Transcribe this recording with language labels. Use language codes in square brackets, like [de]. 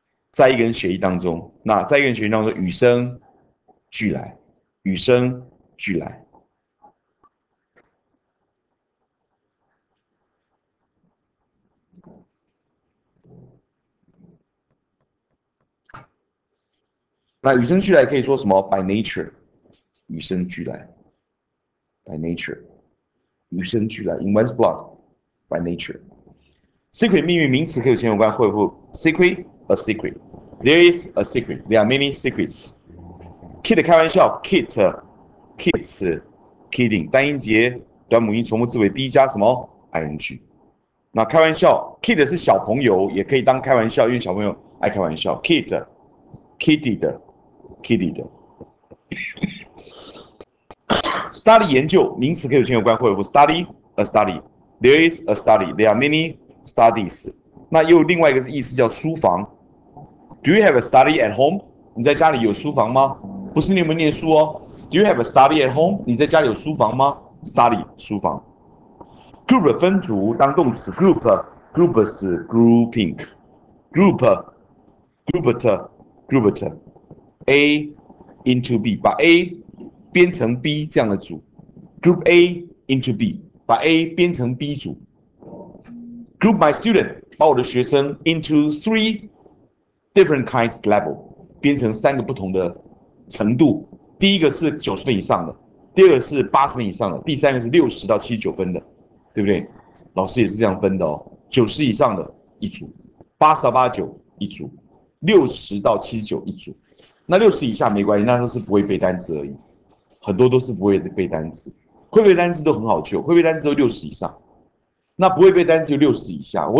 [zh] 在一个人血液当中，那在一个人血液当中，与生俱来，与生俱来。那与生俱来可以说什么 ？By nature， 与生俱来。 By nature， 与生俱来。 [en] In one's blood， [zh] by nature。 Secret 秘密名词可以有前有关，会不 ？Secret， a secret。 [en] There is a secret。 There are many secrets。 [zh] Kid 开玩笑 ，kids，kidding， 单音节，短母音，从母字尾，第一加什么 ？ing。那开玩笑 ，kid 是小朋友，也可以当开玩笑，因为小朋友爱开玩笑。 Kid，kidded。 Kitty 的study 研究名词可以有前有关，或者 study a study。 [en] There is a study. There are many studies. [zh] 那又有另外一个意思叫书房。 [en] Do you have a study at home？ [zh] 你在家里有书房吗？不是你有没有念书哦。 [en] Do you have a study at home？ [zh] 你在家里有书房吗 ？Study 书房。 Group 分组当动词 ，group 是 grouping，group A into B， 把 A 编成 B 这样的组 ，Group A into B， 把 A 编成 B 组 ， [en] Group my student [zh] 把我的学生 [en] into three different kinds level， [zh] 编成三个不同的程度。第一个是90分以上的，第二个是80分以上的，第三个是60到79分的，对不对？老师也是这样分的哦，90以上的一组，80到89一组，60到79一组。那60以下没关系，那都是不会背单词而已，很多都是不会背单词，会背单词都很好救，会背单词都60以上，那不会背单词就60以下。